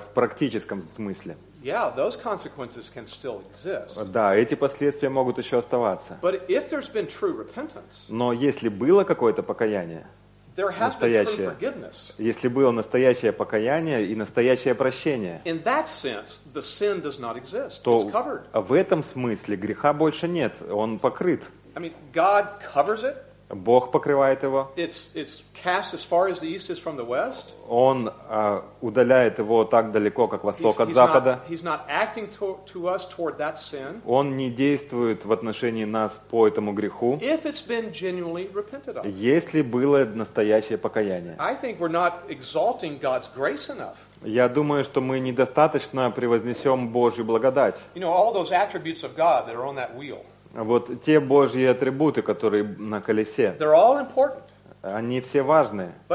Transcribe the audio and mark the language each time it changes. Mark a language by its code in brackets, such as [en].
[ru] в практическом смысле, [en] yeah, those consequences can still exist. [ru] Да, эти последствия могут еще оставаться. [en] But if there's been true repentance, [ru] но если было какое-то покаяние, [en] there has [ru] настоящее, [en] been true forgiveness. [ru] Если было настоящее покаяние и настоящее прощение, [en] in that sense, the sin does not exist. [ru] То [en] it's covered. [ru] В этом смысле греха больше нет, он покрыт. [en] I mean, God covers it. [ru] Бог покрывает его. [en] It's cast as far as the east is from the west. [ru] Он удаляет его так далеко, как восток от запада. [en] He's not acting to us toward that sin. [ru] Он не действует в отношении нас по этому греху. [en] If it's been genuinely repented of. [ru] Если было настоящее покаяние. [en] I think we're not exalting God's grace enough. [ru] Я думаю, что мы недостаточно превознесем Божью благодать. [en] You know, all those attributes of God that are on that wheel. [ru] Вот те Божьи атрибуты, которые на колесе, они все важные.